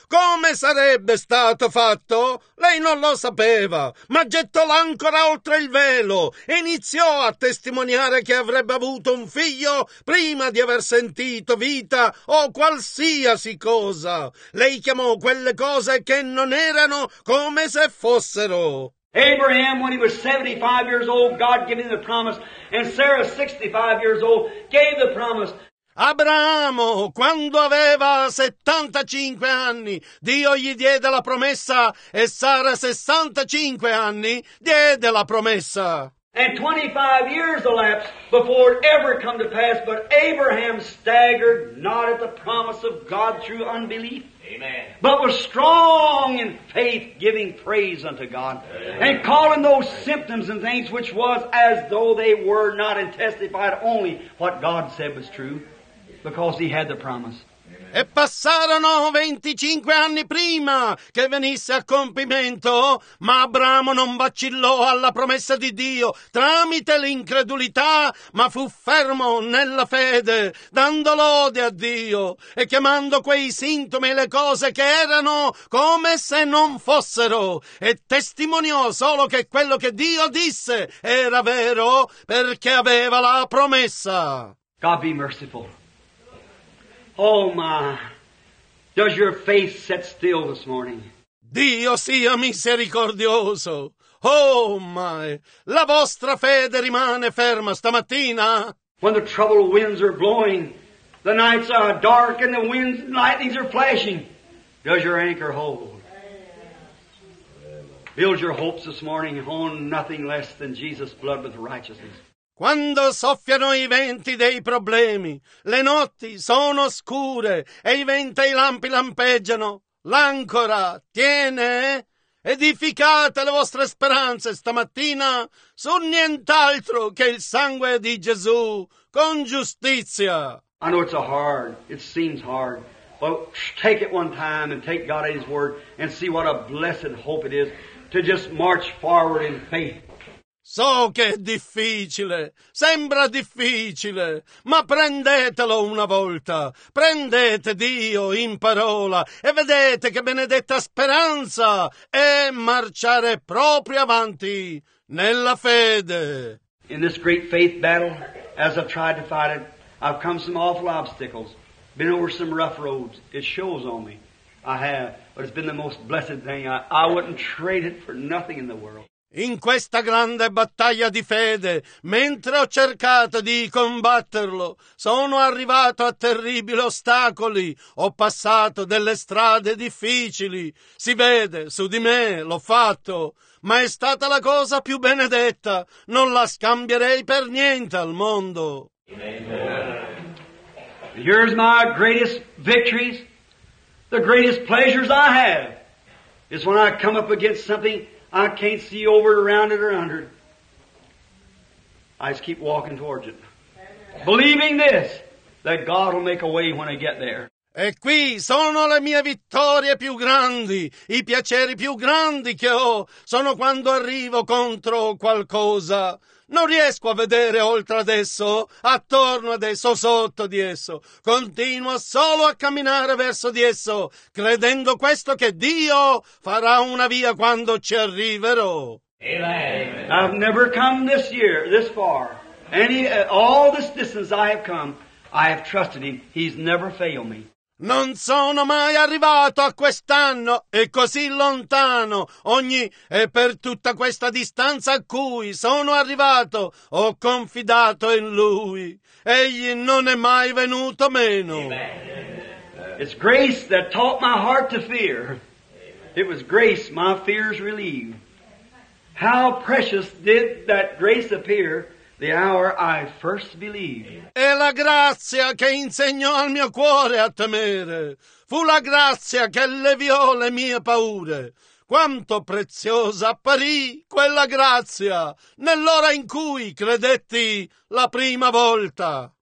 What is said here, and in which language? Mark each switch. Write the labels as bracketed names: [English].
[Italian] Come sarebbe stato fatto? Lei non lo sapeva, ma gettò l'ancora oltre il velo e iniziò a testimoniare che avrebbe avuto un figlio prima di aver sentito vita o qualsiasi cosa. Lei chiamò quelle cose che non erano come se fossero. [English] Abraham, when he was 75 years old, God gave him the promise, and Sarah, 65 years old, gave the promise. [Italian] Abramo, quando aveva 75 anni, Dio gli diede la promessa, e Sara, 65 anni, diede la promessa. [English] And 25 years elapsed before it ever come to pass, but Abraham staggered not at the promise of God through unbelief. Amen. But was strong in faith, giving praise unto God. Amen. And calling those symptoms and things which was as though they were not, and testified only what God said was true, because he had the promise. [Italian] E passarono 25 anni prima che venisse a compimento, ma Abramo non vacillò alla promessa di Dio tramite l'incredulità, ma fu fermo nella fede, dando lode a Dio e chiamando quei sintomi e le cose che erano come se non fossero, e testimoniò solo che quello che Dio disse era vero, perché aveva la promessa. [English] God be merciful. Oh my, does your faith sit still this morning? [Italian] Dio sia misericordioso. [English] Oh my, [Italian] la vostra fede rimane ferma stamattina? [English] When the troubled winds are blowing, the nights are dark and the winds and lightnings are flashing, does your anchor hold? Build your hopes this morning on nothing less than Jesus' blood with righteousness. [Italian] Quando soffiano i venti dei problemi, le notti sono scure e i venti e i lampi lampeggiano, l'ancora tiene? Edificate le vostre speranze stamattina su nient'altro che il sangue di Gesù con giustizia. [English] I know it's hard, it seems hard, but take it one time and take God at His word and see what a blessed hope it is to just march forward in faith. [Italian] So che è difficile, sembra difficile, ma prendetelo una volta, prendete Dio in parola e vedete che benedetta speranza è marciare proprio avanti nella fede. [English] In this great faith battle, as I've tried to fight it, I've come some awful obstacles, been over some rough roads, it shows on me, I have, but it's been the most blessed thing, I wouldn't trade it for nothing in the world. [Italian] In questa grande battaglia di fede, mentre ho cercato di combatterlo, sono arrivato a terribili ostacoli, ho passato delle strade difficili, si vede su di me, l'ho fatto, ma è stata la cosa più benedetta, non la scambierei per niente al mondo. Amen. [English] Here's my greatest victories, the greatest pleasures I have, is when I come up against something I can't see over it, around it, or under it. I just keep walking towards it. Believing this, that God will make a way when I get there. [Italian] E qui sono le mie vittorie più grandi, i piaceri più grandi che ho, sono quando arrivo contro qualcosa. Non riesco a vedere oltre ad esso, attorno ad esso, sotto di esso. Continuo solo a camminare verso di esso, credendo questo che Dio farà una via quando ci arriverò. Amen. [English] I've never come this year, this far. All this distance I have trusted Him. He's never failed me. [Italian] Non sono mai arrivato a quest'anno e così lontano. E per tutta questa distanza a cui sono arrivato, ho confidato in Lui. Egli non è mai venuto meno. Amen. [English] It's grace that taught my heart to fear. It was grace my fears relieved. How precious did that grace appear the hour I first believed. [Italian] È la grazia che insegnò al mio cuore a temere. Fu la grazia che alleviò le mie paure. Quanto preziosa apparì quella grazia nell'ora in cui credetti la prima volta.